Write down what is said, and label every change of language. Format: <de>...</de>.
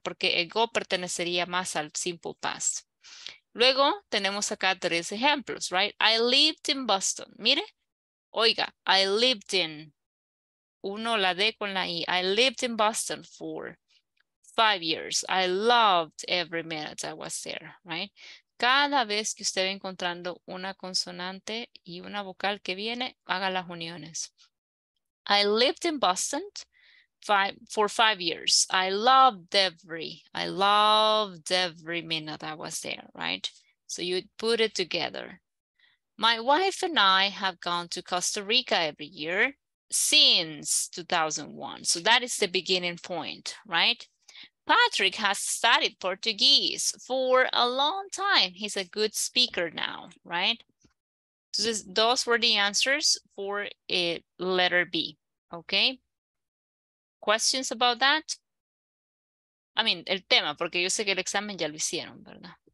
<es>Porque ago pertenecería más al simple past. Luego tenemos acá tres ejemplos,</es> <en>right? I lived in Boston.</en> <es>Mire, oiga,</es> <en>I lived in.</en> <es>Uno la D con la I.</es> <en>I lived in Boston for 5 years. I loved every minute I was there, right?</en> <es>Cada vez que usted va encontrando una consonante y una vocal que viene, haga las uniones.</es> <en>I lived in Boston for five years. I loved every minute I was there, right? So you put it together. My wife and I have gone to Costa Rica every year since 2001. So that is the beginning point, right? Patrick has studied Portuguese for a long time. He's a good speaker now, right? So this, those were the answers for letter B, okay? Questions about that? I mean,</en> <es>el tema, porque yo sé que el examen ya lo hicieron, ¿verdad?</es>